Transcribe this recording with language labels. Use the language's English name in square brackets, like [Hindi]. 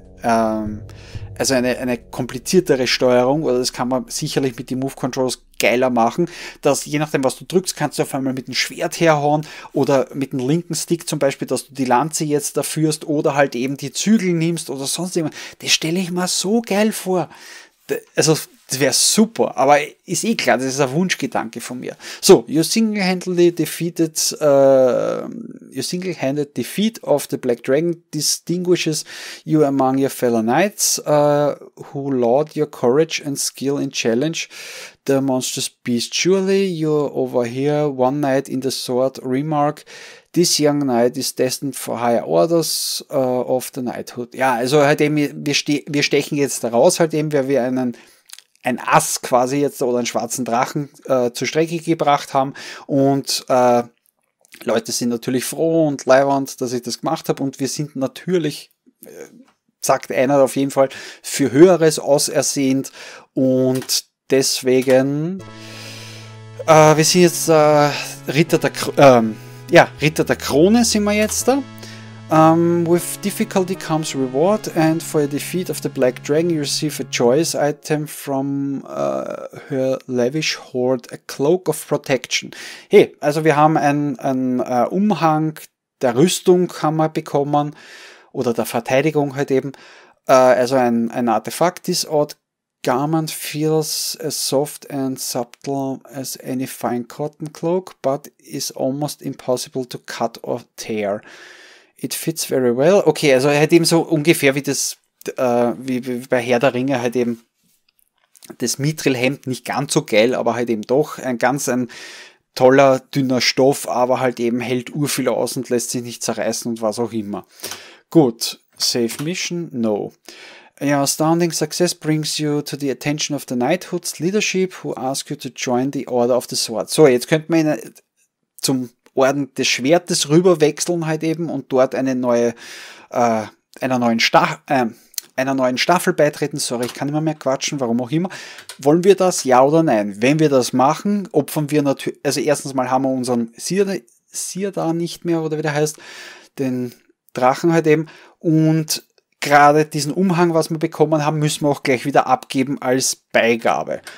[German] also eine kompliziertere Steuerung, oder das kann man sicherlich mit den Move Controls geiler machen, dass je nachdem, was du drückst, kannst du auf einmal mit dem Schwert herhauen oder mit dem linken Stick zum Beispiel, dass du die Lanze jetzt da führst oder halt eben die Zügel nimmst oder sonst irgendwas. Das stelle ich mir so geil vor. Also, das wäre super, aber ist eh klar, das ist ein Wunschgedanke von mir. [English] So, your single-handed defeat of the Black Dragon distinguishes you among your fellow knights, who laud your courage and skill in challenge the monstrous beast. Surely you're over here, one knight in the sword remark, this young knight is destined for higher orders of the knighthood. [German] Ja, also halt eben, wir stechen jetzt daraus, halt eben, weil wir ein Ass quasi jetzt oder einen schwarzen Drachen zur Strecke gebracht haben und Leute sind natürlich froh und leiwand, dass ich das gemacht habe und wir sind natürlich, sagt einer auf jeden Fall, für Höheres ausersehnt und deswegen wir sind jetzt Ritter der Krone sind wir jetzt da. [English] With difficulty comes reward, and for your defeat of the Black Dragon, you receive a choice item from her lavish hoard, a cloak of protection. [German] Hey, also wir haben einen Umhang der Rüstung haben wir bekommen, oder der Verteidigung halt eben. Also ein Artefakt, [English] this odd garment feels as soft and subtle as any fine cotton cloak, but is almost impossible to cut or tear. It fits very well. [German] Okay, also halt eben so ungefähr wie das, wie bei Herr der Ringe halt eben das Mithril-Hemd, nicht ganz so geil, aber halt eben doch ein toller, dünner Stoff, aber halt eben hält urviel aus und lässt sich nicht zerreißen und was auch immer. [English] Gut, Save Mission, no. Your astounding success brings you to the attention of the Knighthood's leadership, who ask you to join the Order of the Sword. [German] So, jetzt könnte man zum Orden des Schwertes rüberwechseln halt eben und dort einer neuen Staffel beitreten. Sorry, ich kann immer mehr quatschen, warum auch immer. Wollen wir das, ja oder nein? Wenn wir das machen, opfern wir natürlich, also erstens mal haben wir unseren Sir da nicht mehr, oder wie der heißt, den Drachen halt eben, und gerade diesen Umhang, was wir bekommen haben, müssen wir auch gleich wieder abgeben als Beigabe.